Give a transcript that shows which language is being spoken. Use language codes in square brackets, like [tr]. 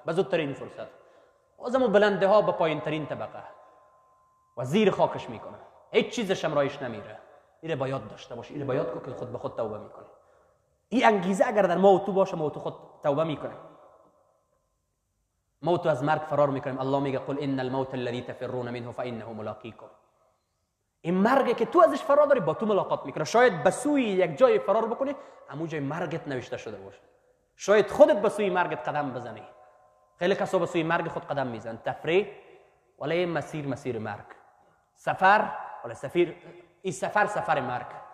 [fa] به زودترین فرصت بازم بلنده ها به پایین ترین طبقه و زیر خاکش میکنه. هیچ چیزش هم رایش نمیره. اینه باید داشته باشه، اینه باید که خود به خود توبه میکنه. این انگیزه اگر در ما و تو باشه، ما و تو خود توبه میکنه. ما و تو از مرگ فرار میکنیم. [ar] الله [fa] میگه [ar] قل ان الموت الذي تفرون منه فانه ملاقيكم. [fa] این مرگی که تو ازش فرار داری با تو ملاقات میکنه. شاید به سوی یک جای فرار بکنی، اما جای مرگت نوشته شده باشه. شاید خودت به سوی مرگت قدم بزنی. خیلی کسا به سوی مرگ خود قدم میزن. تفریح ولی مسیر مسیر مرگ. سفر ولی سفیر این سفر سفر مرگ.